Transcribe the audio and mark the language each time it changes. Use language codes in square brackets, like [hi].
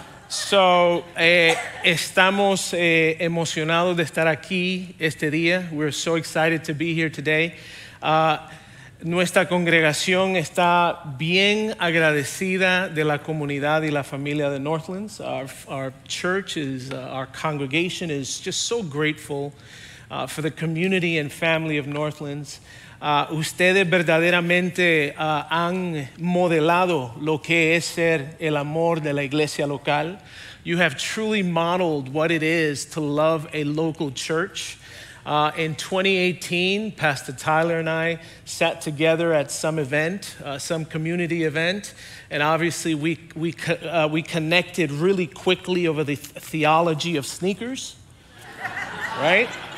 [es] Estamos emocionados de estar aquí este día. [en] We're so excited to be here today. [es] Nuestra congregación está bien agradecida de la comunidad y la familia de Northlands. [en] Our church is, our congregation is just so grateful for the community and family of Northlands. [es] Ustedes verdaderamente han modelado lo que es ser el amor de la iglesia local. [en] You have truly modeled what it is to love a local church. In 2018, Pastor Tyler and I sat together at some event, some community event, and obviously we connected really quickly over the theology of sneakers, right?